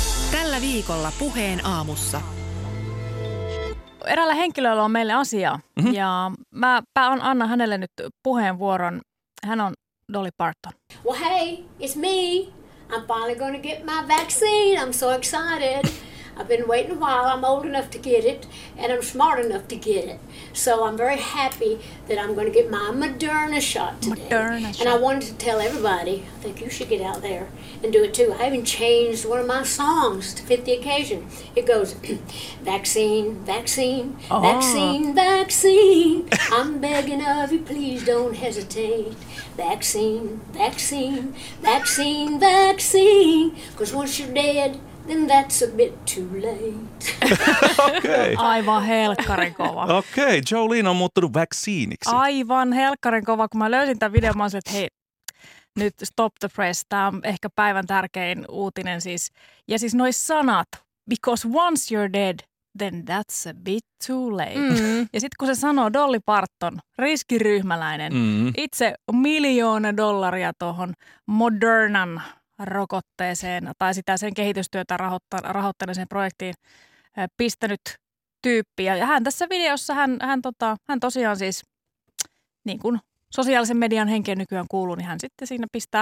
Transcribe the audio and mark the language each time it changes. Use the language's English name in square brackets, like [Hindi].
[Finnish] Tällä viikolla Puheen aamussa. Eräällä henkilöllä on meille asiaa. Mm-hmm. Ja mä annan hänelle nyt puheenvuoron. Hän on Dolly Parton. [English] Well hey, it's me. I'm finally gonna get my vaccine. I'm so excited. I've been waiting a while. I'm old enough to get it. And I'm smart enough to get it. So I'm very happy that I'm gonna get my Moderna shot today. Moderna shot. And I wanted to tell everybody, I think you should get out there and do it too. I even changed one of my songs to fit the occasion. It goes, vaccine, vaccine, uh-huh. Vaccine, vaccine. I'm begging of you, please don't hesitate. Vaccine, vaccine, vaccine, vaccine. 'Cause once you're dead, then that's a bit too late. Okay. [Finnish] Aivan helkkarin kova. Okei, okay, Jolene on muuttunut vaksiiniksi. Aivan helkkarin kova. Kun mä löysin tämän videon, mä olisin, että hei, nyt [English] stop the press. [Finnish] Tämä on ehkä päivän tärkein uutinen siis. Ja siis noi sanat, [English] because once you're dead, then that's a bit too late. [Finnish] Mm. Ja sitten kun se sanoo Dolly Parton, riskiryhmäläinen, itse miljoona dollaria tuohon Modernan rokotteeseen tai sitä sen kehitystyötä rahoittaneeseen projektiin pistänyt tyyppiä. Ja hän tässä videossa, hän tosiaan siis, niin kuin sosiaalisen median henkeen nykyään kuuluu, niin hän sitten siinä pistää.